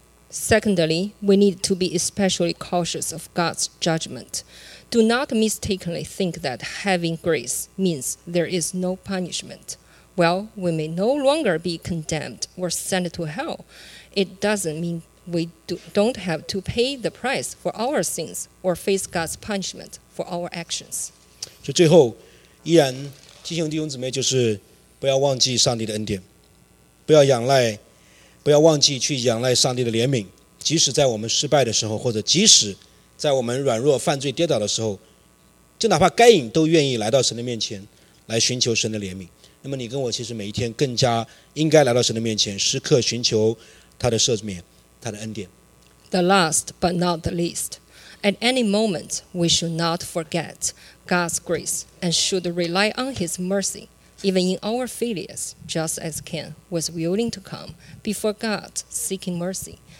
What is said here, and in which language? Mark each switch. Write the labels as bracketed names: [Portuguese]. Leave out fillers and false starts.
[English] Secondly, we need to be especially cautious of God's judgment. Do not mistakenly think that having grace means there is no punishment. Well, we may no longer be condemned or sent to hell. It doesn't meanWe don't have to pay the price for our sins or face God's punishment for our actions. [Chinese] 就最后，依然提醒弟兄姊妹，就是不要忘记上帝的恩典，不要忘记去仰赖上帝的怜悯。即使在我们失败的时候，或者即使在我们软弱、犯罪、跌倒的时候，就哪怕该隐都愿意来到神的面前来寻求神的怜悯。那么你跟我其实每一天更加应该来到神的面前，时刻寻求他的赦免。 [English] The last but not the least, at any moment we should not forget God's grace and should rely on His mercy, even in our failures, just as Cain was willing to come before God seeking mercy.